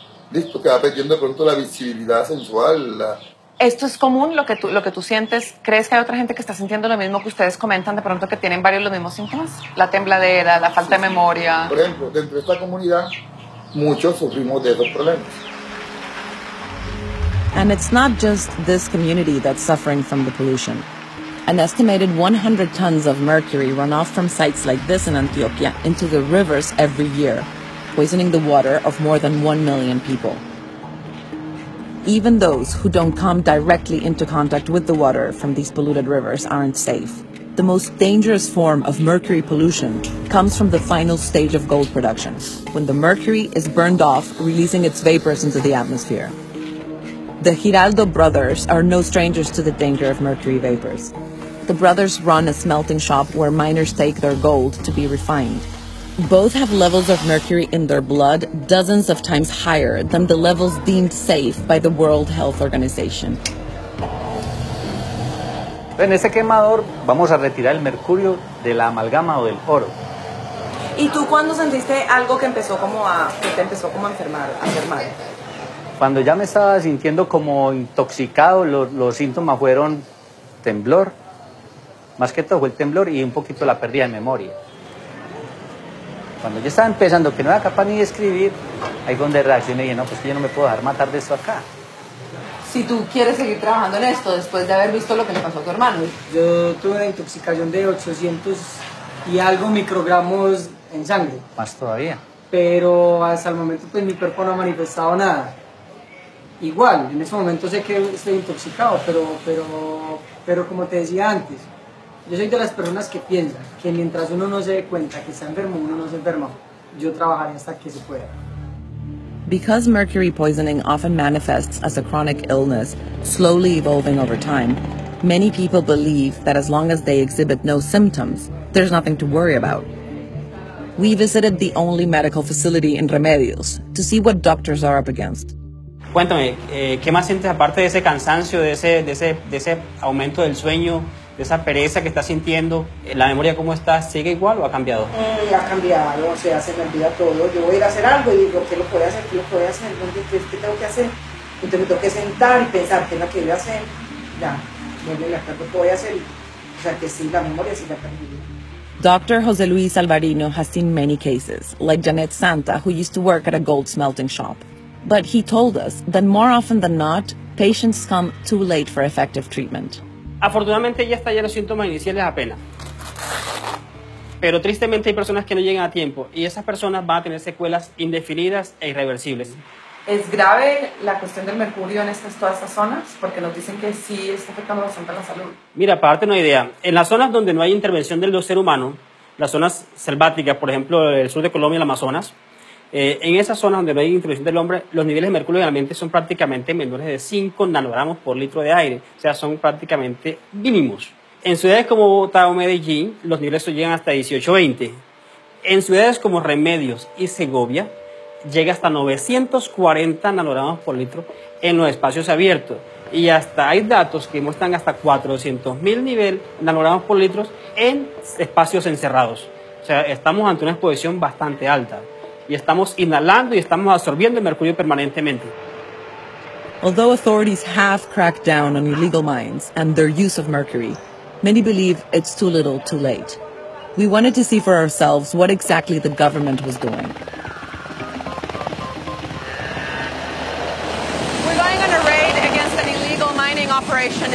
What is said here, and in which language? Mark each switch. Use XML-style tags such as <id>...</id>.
<es>Listo, que va perdiendo de pronto la visibilidad sensual. ¿Esto es común, lo que tú sientes? ¿Crees que hay otra gente que está sintiendo lo mismo que ustedes comentan, de pronto que tienen varios los mismos síntomas? La tembladera, la falta de memoria. Por ejemplo, dentro de esta comunidad, muchos sufrimos de esos problemas.</es> <en>And it's not just this community that's suffering from the pollution. An estimated 100 tons of mercury run off from sites like this in Antioquia into the rivers every year, poisoning the water of more than 1 million people. Even those who don't come directly into contact with the water from these polluted rivers aren't safe. The most dangerous form of mercury pollution comes from the final stage of gold production, when the mercury is burned off, releasing its vapors into the atmosphere. The Giraldo brothers are no strangers to the danger of mercury vapors. The brothers run a smelting shop where miners take their gold to be refined. Both have levels of mercury in their blood dozens of times higher than the levels deemed safe by the World Health Organization.</en> <es>En ese quemador vamos a retirar el mercurio de la amalgama o del oro. ¿Y tú cuándo sentiste algo que empezó como a enfermar? Cuando ya me estaba sintiendo como intoxicado, los síntomas fueron temblor. Más que todo fue el temblor y un poquito la pérdida de memoria. Cuando yo estaba empezando, que no era capaz ni de escribir, ahí fue donde reaccioné y dije, no, pues yo no me puedo dejar matar de esto acá. Si tú quieres seguir trabajando en esto, después de haber visto lo que le pasó a tu hermano. Yo tuve una intoxicación de 800 y algo microgramos en sangre. Más todavía. Pero hasta el momento, pues, mi cuerpo no ha manifestado nada. Igual, en ese momento sé que estoy intoxicado, pero como te decía antes, yo soy de las personas que piensan que mientras uno no se dé cuenta que está enfermo, uno no se enferma. Yo trabajaré hasta que se pueda.</es> <en>Because mercury poisoning often manifests as a chronic illness, slowly evolving over time, many people believe that as long as they exhibit no symptoms, there's nothing to worry about. We visited the only medical facility in Remedios to see what doctors are up against.</en> <es>Cuéntame, ¿qué más sientes aparte de ese cansancio, de ese aumento del sueño, de esa pereza que estás sintiendo? ¿La memoria cómo está? ¿Sigue igual o ha cambiado? Ha cambiado, o sea, se me olvida todo. Yo voy a ir a hacer algo y digo, ¿qué lo puedo hacer? ¿Qué lo puedo hacer? ¿Qué tengo que hacer? Entonces me tengo que sentar y pensar, ¿qué es lo que voy a hacer? Ya, vuelvo a la tarde, ¿qué voy a hacer? O sea, que sí, la memoria sí la ha perdido.</es> <en>Dr. José Luis Alvarino has seen many cases, like Janet Santa, who used to work at a gold smelting shop. But he told us that more often than not, patients come too late for effective treatment.</en> <es>Afortunadamente, ya está ya los síntomas iniciales apenas. Pero tristemente, hay personas que no llegan a tiempo y esas personas van a tener secuelas indefinidas e irreversibles. ¿Es grave la cuestión del mercurio en estas, todas estas zonas? Porque nos dicen que sí está afectando bastante la salud. Mira, para darte una idea, en las zonas donde no hay intervención del ser humano, las zonas selváticas, por ejemplo, el sur de Colombia, el Amazonas, en esas zonas donde no hay intervención del hombre, los niveles de mercurio en el ambiente son prácticamente menores de 5 nanogramos por litro de aire. O sea, son prácticamente mínimos. En ciudades como Bogotá o Medellín, los niveles llegan hasta 18-20. En ciudades como Remedios y Segovia, llega hasta 940 nanogramos por litro en los espacios abiertos. Y hasta hay datos que muestran hasta 400.000 nanogramos por litro en espacios encerrados. O sea, estamos ante una exposición bastante alta. Y estamos inhalando y estamos absorbiendo el mercurio permanentemente.</es> <en>Although authorities have cracked down on illegal mines and their use of mercury, many believe it's too little too late. We wanted to see for ourselves what exactly the government was doing. We're going on a raid against an illegal mining operation.</en>